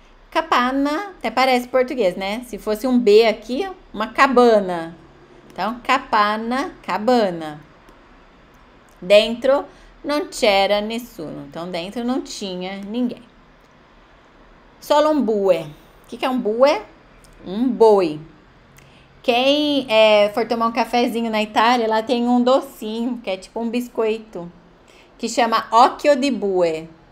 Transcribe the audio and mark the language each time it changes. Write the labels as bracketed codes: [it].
[pt] Capanna, até parece português, né? Se fosse um B aqui, uma cabana. Então, capanna, cabana. [it] Dentro non c'era nessuno. [pt] Então, dentro não tinha ninguém. [it] Solo un bue. [pt] O que é um bue? Um boi. Quem for tomar um cafezinho na Itália, lá tem um docinho, que é tipo um biscoito, que chama occhio di bue.